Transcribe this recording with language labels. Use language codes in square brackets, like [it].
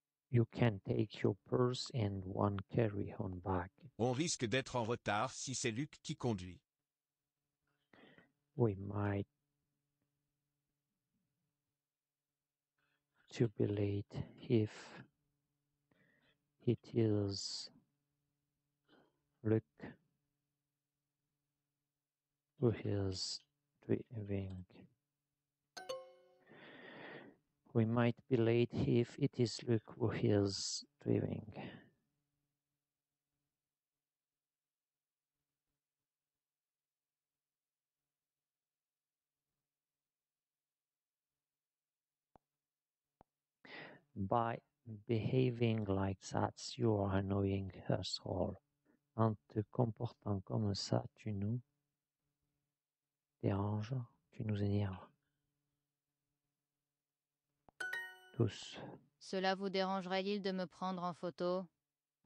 [en] You can take your purse and one carry-on bag. [fr] On risque d'être en retard si c'est Luc qui conduit. [en] We might to be late if it is Luc who is driving. We might be late if it is Luke who is driving. By behaving like that, you are annoying us all. [fr] En te comportant comme ça, tu nous déranges, tu nous énerves. Tous. Cela vous dérangerait-il de me prendre en photo ?